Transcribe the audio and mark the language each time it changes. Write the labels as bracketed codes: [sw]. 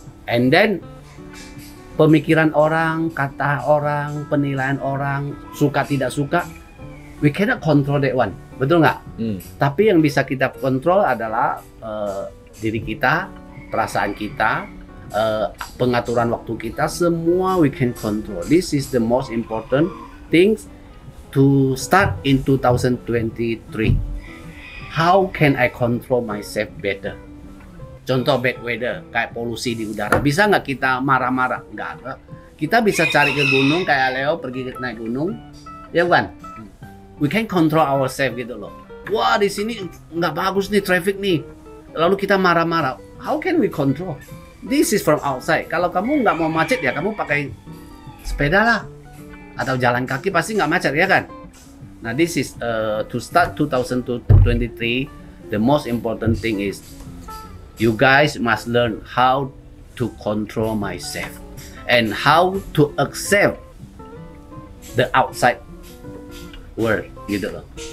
[en] And then, [id] pemikiran orang, kata orang, penilaian orang, suka tidak suka, [en] we cannot control that one. [id] Betul nggak? Hmm. Tapi yang bisa kita kontrol adalah diri kita, perasaan kita, pengaturan waktu kita, semua [en] we can control. This is the most important things to start in 2023. How can I control myself better? [id] Contoh [en] bad weather, [id] kayak polusi di udara. Bisa nggak kita marah-marah? Nggak. Kita bisa cari ke gunung, kayak Leo pergi naik gunung. Ya bukan? [en] We can control ourselves [id] gitu loh. Wah, di sini nggak bagus nih, traffic nih. Lalu kita marah-marah. [en] How can we control? This is from outside. [id] Kalau kamu nggak mau macet, ya kamu pakai sepeda lah. Atau jalan kaki pasti nggak macet, ya kan? [en] Nah, this is to start 2023, the most important thing is you guys must learn how to control myself and how to accept the outside world, [id] gitu loh.